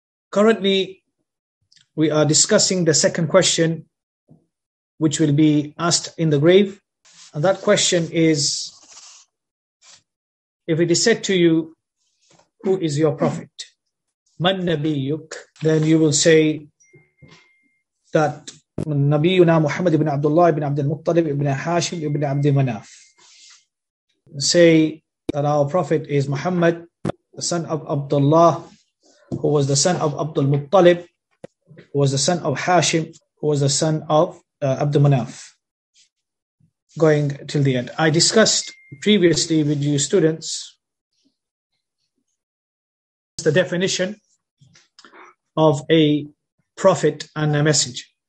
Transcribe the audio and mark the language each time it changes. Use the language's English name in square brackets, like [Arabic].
[English] Currently, we are discussing the second question, which will be asked in the grave. And that question is, if it is said to you, who is your prophet? [Arabic] من نبيك? [English] Then you will say that [Arabic] نبينا محمد بن عبد الله بن عبد المطلب بن حاشم بن عبد مناف. [English] Say that our prophet is Muhammad, the son of Abdullah, who was the son of Abdul Muttalib, who was the son of Hashim, who was the son of Abd Manaf, going till the end. I discussed previously with you students the definition of a prophet and a messenger.